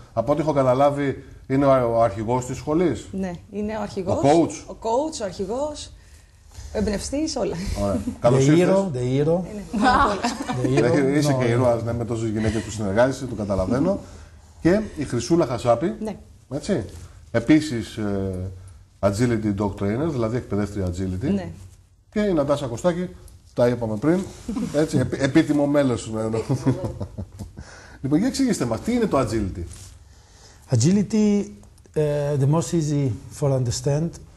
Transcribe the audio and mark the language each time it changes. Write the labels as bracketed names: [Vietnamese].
[Greek] Από ό,τι έχω καταλάβει, είναι ο αρχηγός της σχολής. Ναι, είναι ο αρχηγός. Ο coach. Ο coach, ο αρχηγός, ο εμπνευστής, όλα. Ωραία. Καλώς ήρθες. [English] The hero, the hero. [Greek] Είσαι και ήρωας, ναι, με τόσες γυναίκες που συνεργάζεσαι, το καταλαβαίνω. Και η Χρυσούλα Χασάπη. Ναι. Έτσι. Επίσης, agility dog trainer, δηλαδή εκπαιδεύτρια agility. Ναι. Και η Νατάσα Κωστάκη, τα είπαμε πριν. Έτσι, επίτιμο μέλος. Λοιπόν, για εξηγήστε μας, τι είναι το agility. [English] Agility, the most easy for understand.